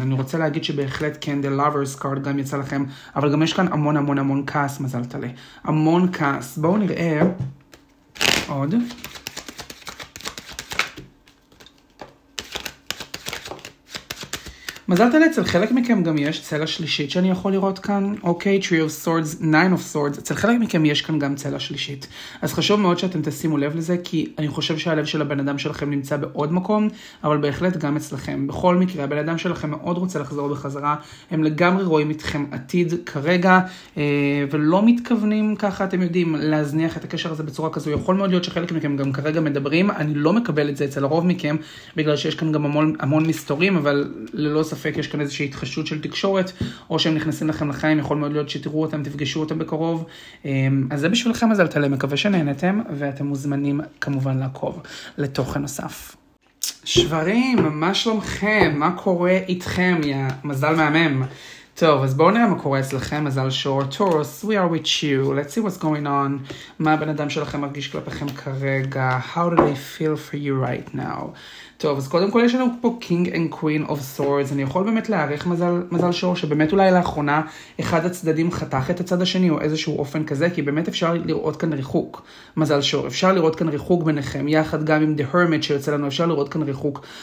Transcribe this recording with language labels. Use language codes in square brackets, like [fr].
[he] אני רוצה להגיד שבהחלט כן, the lover's card גם יצא לכם, אבל גם יש כאן המון המון המון כעס, מזל טלה. המון כעס. בואו נראה עוד. מזל טלה, אצל חלק מכם גם יש צלע שלישית שאני יכול לראות כאן. אוקיי, Tree of Swords, Nine of Swords. אצל חלק מכם יש כאן גם צלע שלישית. אז חשוב מאוד שאתם תשימו לב לזה, כי אני חושב שהלב של הבן אדם שלכם נמצא בעוד מקום, אבל בהחלט גם אצלכם. בכל מקרה, הבן אדם שלכם מאוד רוצה לחזור בחזרה. הם לגמרי רואים אתכם עתיד כרגע, ולא מתכוונים ככה, אתם יודעים, להזניח את הקשר הזה בצורה כזו. יכול מאוד להיות שחלק מכם גם כרגע מדברים. אני לא מקבל את זה אצל הרוב מכם, בגלל שיש כאן גם המון, המון מסתורים, אבל ללא ספק יש כאן איזושהי התחשות של תקשורת, או שהם נכנסים לכם לחיים, יכול מאוד להיות שתראו אותם, תפגשו אותם בקרוב. אז זה בשבילכם, אז אל תלם, מקווה שנהנתם, ואתם מוזמנים כמובן לעקוב לתוכן נוסף. שברים, מה שלומכם? מה קורה איתכם? יא מזל מהמם. טוב, אז בואו נראה מה קורה אצלכם, מזל שור. [en] Taurus, we are with you. Let's see what's going on. [he] מה הבן אדם שלכם מרגיש כלפיכם כרגע? [en] How do they feel for you right now? [he] טוב, אז קודם כל יש לנו פה King and Queen of Swords. אני יכול באמת להעריך מזל שור, שבאמת אולי לאחרונה אחד הצדדים חתך את הצד השני, או איזשהו אופן כזה, כי באמת אפשר לראות כאן ריחוק, מזל שור. אפשר לראות כאן ריחוק ביניכם, יחד גם עם The Hermit שיוצא לנו, אפשר לראות כאן ריחוק.